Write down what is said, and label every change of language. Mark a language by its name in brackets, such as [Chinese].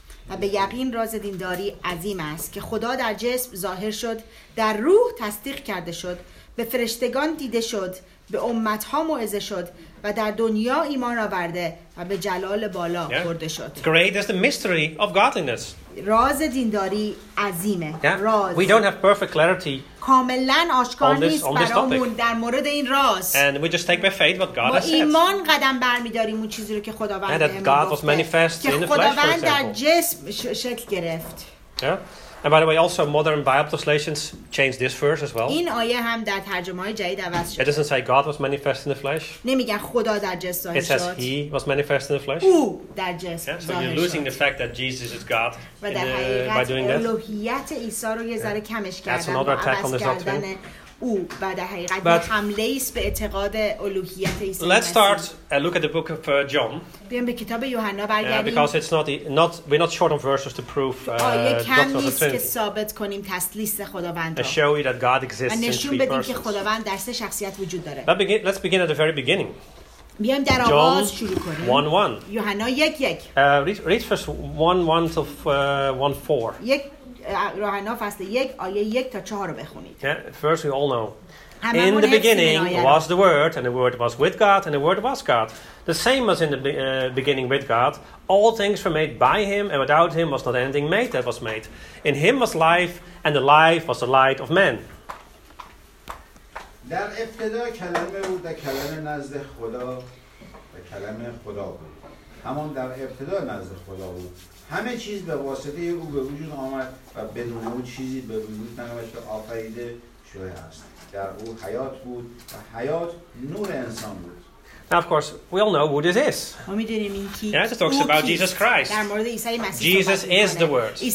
[Persian] و به یقین راز دینداری عظیم است که خدا در جسم ظاهر شد، در روح تصدیق کرده شد، به فرشتگان دیده شد، به امتها موعظه شد و در دنیا ایمان آورده و به جلال بالا برده شد. [English] Great is the mystery of godliness. [Persian] راز دینداری عظیمه. راز. [English] We don't have perfect clarity. [Persian] کاملاً آشکار نیست برامون در مورد این راز. [English] And we just take by faith what God has said. [Persian] ما ایمان قدم برمی‌داریم اون چیزی رو که خداوند بهمون گفت. [English] That God was manifest in the flesh, for example. [Persian] که خداوند در جسم شکل گرفت. [English] And by the way, also modern Bible translations change this verse as well. [Persian] این آیه هم در ترجمه‌های جدید عوض شد. [English] It doesn't say God was manifest in the flesh. [Persian] نمیگن خدا در جسم ظاهر شد. [English] It says He was manifest in the flesh. [Persian] او در جسم ظاهر شد. [English] So you're losing the fact that Jesus is God by doing that. [Persian] و در حقیقت الوهیت عیسی رو یه ذره کمش کردن. [English] That's another attack on this doctrine. [Persian] او و در حقیقت حمله ایست به اعتقاد الوهیت عیسی. [English] Let's start a look at the book of John. [Persian] بیام به کتاب یوحنا برگردیم. [English] Yeah, because it's not we're not short on verses to prove doctrine of the Trinity. [Persian] آیه کمی است که ثابت کنیم تثلیث خداوند. [English] To show you that God exists in three persons. [Persian] و نشون بدیم که خداوند در سه شخصیت وجود داره. [English] Let's begin at the very beginning. [Persian] بیام در آغاز شروع کنیم. [English] John 1:1. [Persian] یوحنا 1:1. [English] Read verse 1:1 to 1:4. [Persian] یوحنا فصل 1 آیه 1 تا 4 رو بخونید. [English] Yeah, first we all know. In the beginning was the Word, and the Word was with God, and the Word was God. The same was in the beginning with God. All things were made by Him, and without Him was not anything made that was made. In Him was life, and the life was the light of men. [Persian] در ابتدا کلمه بود و کلمه نزد خدا و کلمه خدا بود. همان در ابتدا نزد خدا بود. همه چیز به واسطه او به وجود آمد و بدون او چیزی به وجود نیامد که آفریده شده است. در او حیات بود و حیات نور انسان بود. [English] Now, of course, we all know who this is. Yeah, it talks about Jesus Christ. Jesus is the Word.